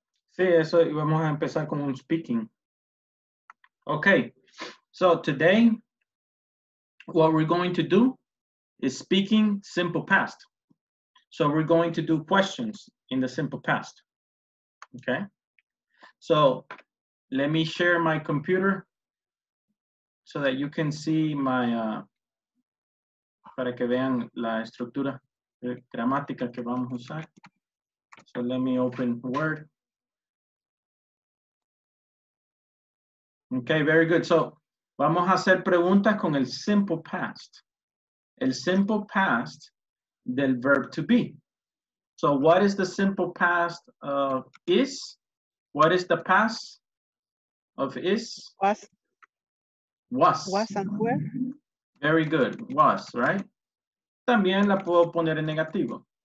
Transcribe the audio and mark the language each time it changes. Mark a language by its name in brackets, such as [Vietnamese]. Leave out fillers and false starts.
[Spanish] Sí, eso, y vamos a empezar con un speaking. [English] Okay, so today, what we're going to do is speaking simple past. So we're going to do questions in the simple past. Okay, so let me share my computer so that you can see my, [Spanish] para que vean la estructura. Gramática que vamos a usar. [English] So let me open Word. Okay, very good. [Spanish] So vamos a hacer preguntas con el simple past. El simple past del verb to be. [English] So what is the simple past of is? What is the past of is? Past. Was and were. Very good. Was, right? [Spanish] También la puedo poner en negativo.